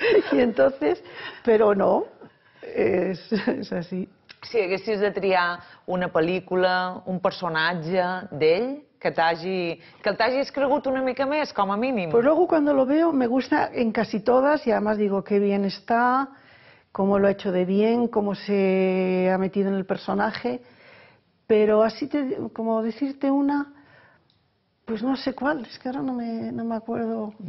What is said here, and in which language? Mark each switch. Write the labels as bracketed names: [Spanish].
[Spanish] Y entonces, pero no, es así. [Catalan] Si haguessis de triar una pel·lícula, un personatge d'ell, que t'hagis cregut una mica més, com a mínim. [Spanish] Pues luego cuando lo veo me gusta en casi todas y además digo qué bien está, cómo lo ha hecho de bien, cómo se ha metido en el personaje. Pero así, como decirte una, pues no sé cuál, es que ahora no me acuerdo.